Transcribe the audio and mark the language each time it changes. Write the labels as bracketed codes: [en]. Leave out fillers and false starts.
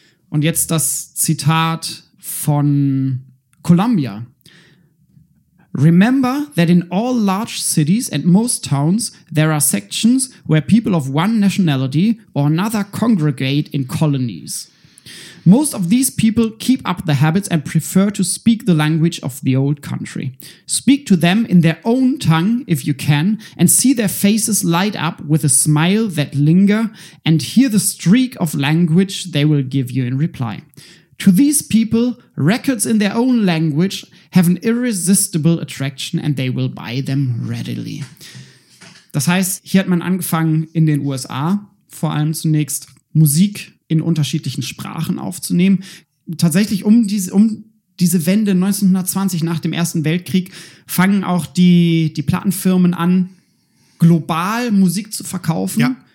[de] Und jetzt das Zitat von Columbia. [en] Remember that in all large cities and most towns there are sections where people of one nationality or another congregate in colonies. Most of these people keep up the habits and prefer to speak the language of the old country. Speak to them in their own tongue, if you can, and see their faces light up with a smile that linger and hear the streak of language they will give you in reply. To these people, records in their own language have an irresistible attraction and they will buy them readily. [de] Das heißt, hier hat man angefangen, in den USA vor allem zunächst Musik in unterschiedlichen Sprachen aufzunehmen. Tatsächlich um diese Wende 1920 nach dem Ersten Weltkrieg fangen auch die Plattenfirmen an, global Musik zu verkaufen. Ja.